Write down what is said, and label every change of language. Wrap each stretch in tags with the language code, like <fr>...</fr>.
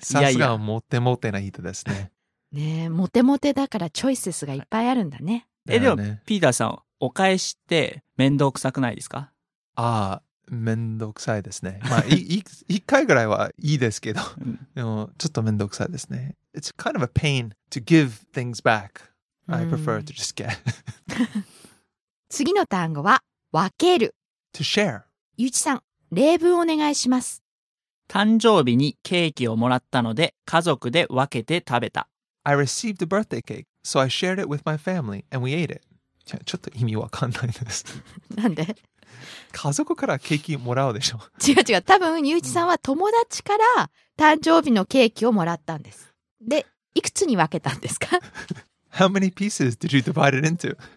<ja>さすがモテモテな人ですね。ねえ、モテモテだからチョイセスがいっぱいあるんだね。え、でも、ピーターさん、お返しって面倒くさくないですか？ああ、面倒くさいですね。まあ、一回ぐらいはいいですけど、でもちょっと面倒くさいですね。</ja> <en>It's kind of a pain to give things back. I prefer to just get.</en> <ja>次の単語は、分ける。</ja> <en>To share.</en> <ja>ゆうちさん、例文お願いします。誕生日にケーキをもらったので、家族で分けて食べた。</ja> <en>I received a birthday cake, so I shared it with my family, and we ate it.</en> <ja>ちょっと意味わかんないです。なんで？家族からケーキもらうでしょ。違う違う。多分、ゆういちさんは友達から誕生日のケーキをもらったんです。で、いくつに分けたんですか？</ja> <en>How many pieces did you divide it into?</en>